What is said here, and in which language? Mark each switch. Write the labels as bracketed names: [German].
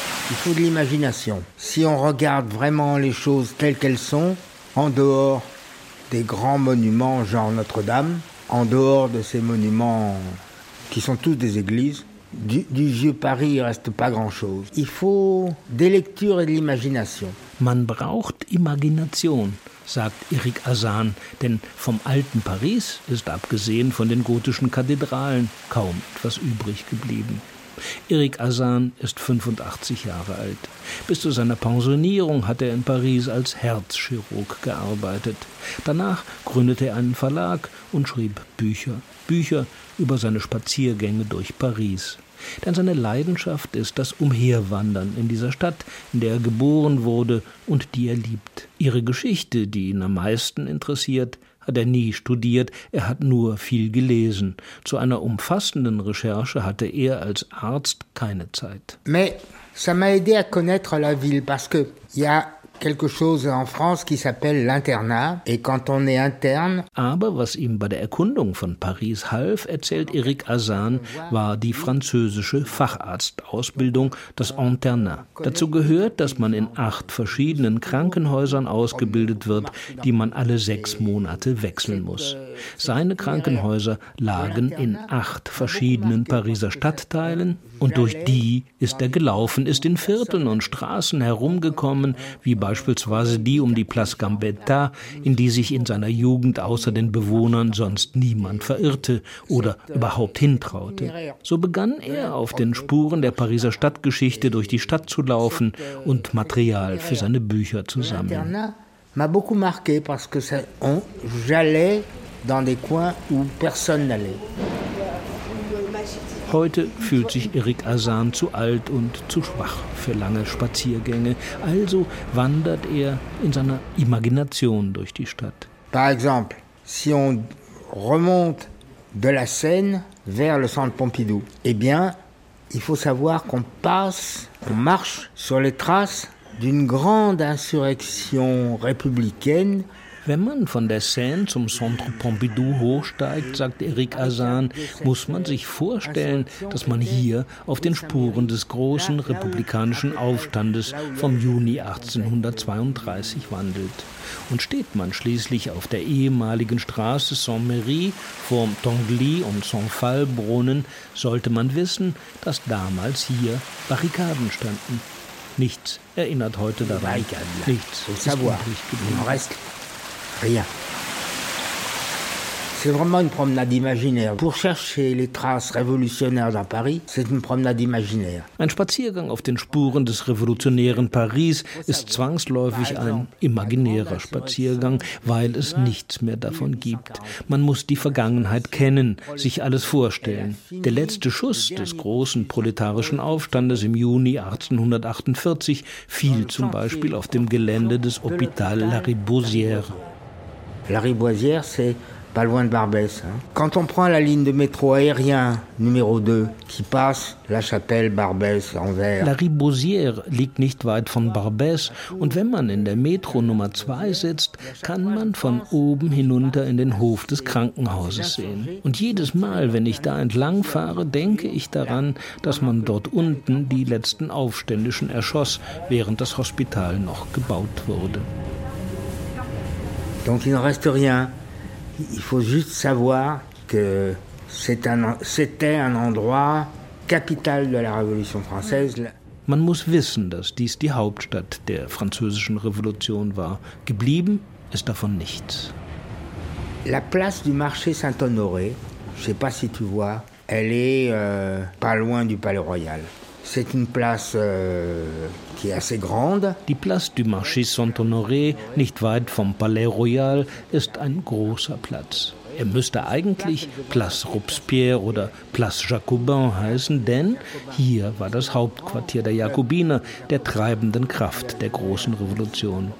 [French] Il faut de l'imagination. Si on regarde vraiment les choses telles qu'elles sont, en dehors des grands monuments genre Notre-Dame, en dehors de ces monuments qui sont tous des églises, du vieux Paris, il reste pas grand-chose. Il faut des lectures et de l'imagination. [German] Man braucht Imagination, sagt Eric Azan, denn vom alten Paris ist abgesehen von den gotischen Kathedralen kaum etwas übrig geblieben. Eric Azan ist 85 Jahre alt. Bis zu seiner Pensionierung hat er in Paris als Herzchirurg gearbeitet. Danach gründete er einen Verlag und schrieb Bücher. Bücher über seine Spaziergänge durch Paris. Denn seine Leidenschaft ist das Umherwandern in dieser Stadt, in der er geboren wurde und die er liebt. Ihre Geschichte, die ihn am meisten interessiert, hat er nie studiert, er hat nur viel gelesen. Zu einer umfassenden Recherche hatte er als Arzt keine Zeit. [French] Mais ça m'a aidé à connaître la ville parce que il y a quelque chose en France qui s'appelle l'internat et quand on est interne. [German] Aber was ihm bei der Erkundung von Paris half, erzählt Eric Azan, war die französische Facharztausbildung, das Internat. Dazu gehört, dass man in 8 verschiedenen Krankenhäusern ausgebildet wird, die man alle 6 Monate wechseln muss. Seine Krankenhäuser lagen in 8 verschiedenen Pariser Stadtteilen und durch die ist er gelaufen, ist in Vierteln und Straßen herumgekommen, wie beispielsweise die um die Place Gambetta, in die sich in seiner Jugend außer den Bewohnern sonst niemand verirrte oder überhaupt hintraute. So begann er, auf den Spuren der Pariser Stadtgeschichte durch die Stadt zu laufen und Material für seine Bücher zu sammeln. [French] M'a beaucoup marqué parce que j'allais dans des coins où personne n'allait. [German] Heute fühlt sich Eric Azan zu alt und zu schwach für lange Spaziergänge. Also wandert er in seiner Imagination durch die Stadt. [French] Par exemple, si on remonte de la Seine vers le Centre Pompidou, eh bien, il faut savoir qu'on passe, on marche sur les traces d'une grande insurrection républicaine. [German] Wenn man von der Seine zum Centre Pompidou hochsteigt, sagt Eric Azan, muss man sich vorstellen, dass man hier auf den Spuren des großen republikanischen Aufstandes vom Juni 1832 wandelt. Und steht man schließlich auf der ehemaligen Straße Saint-Merry vorm Tanguy und Saint-Phalle-Brunnen, sollte man wissen, dass damals hier Barrikaden standen. Nichts erinnert heute daran. Nichts ist übrig geblieben. [French] Rien. C'est vraiment une promenade imaginaire. Pour chercher les traces révolutionnaires dans Paris, c'est une promenade imaginaire. [German] Ein Spaziergang auf den Spuren des revolutionären Paris ist zwangsläufig ein imaginärer Spaziergang, weil es nichts mehr davon gibt. Man muss die Vergangenheit kennen, sich alles vorstellen. Der letzte Schuss des großen proletarischen Aufstandes im Juni 1848 fiel zum Beispiel auf dem Gelände des Hôpital Lariboisière. Lariboisière, c'est pas loin de Barbès. Hein. Quand on prend la ligne de métro aérien numéro 2 qui passe la chapelle Barbès en vert. Lariboisière liegt nicht weit von Barbès und wenn man in der Metro Nummer 2 sitzt, kann man von oben hinunter in den Hof des Krankenhauses sehen. Und jedes Mal, wenn ich da entlang fahre, denke ich daran, dass man dort unten die letzten Aufständischen erschoss, während das Hospital noch gebaut wurde. [French] Donc il ne reste rien. Il faut juste savoir que c'était un endroit capital de la Révolution française. [German] Man muss wissen, dass dies die Hauptstadt der französischen Revolution war. Geblieben ist davon nichts. [French] La place du marché Saint-Honoré, je sais pas si tu vois, elle est pas loin du Palais Royal. C'est une place qui est assez grande. [German] Die Place du Marché Saint-Honoré, nicht weit vom Palais Royal, ist ein großer Platz. Er müsste eigentlich Place Robespierre oder Place Jacobin heißen, denn hier war das Hauptquartier der Jakobiner, der treibenden Kraft der großen Revolution.